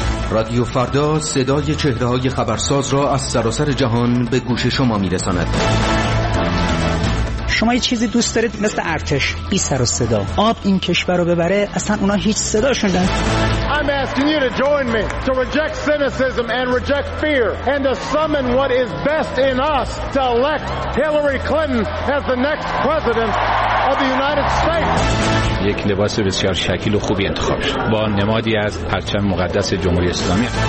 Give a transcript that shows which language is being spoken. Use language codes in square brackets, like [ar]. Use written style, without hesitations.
[fa] رادیو فردا صدای چهره‌های خبرساز را از سراسر جهان به گوش شما می‌رساند. شما یه چیزی دوست دارید مثل ارتش بی سر و صدا آب این کشور رو ببره؟ اصلا اونا هیچ صداشون دارن. [en] I'm asking you to join me to reject cynicism and reject fear and to summon what is best in us to elect Hillary Clinton as the next president of the United States. [fa] یک لباس بسیار شکیل و خوبی انتخاب شد با نمادی از پرچم مقدس جمهوری اسلامی.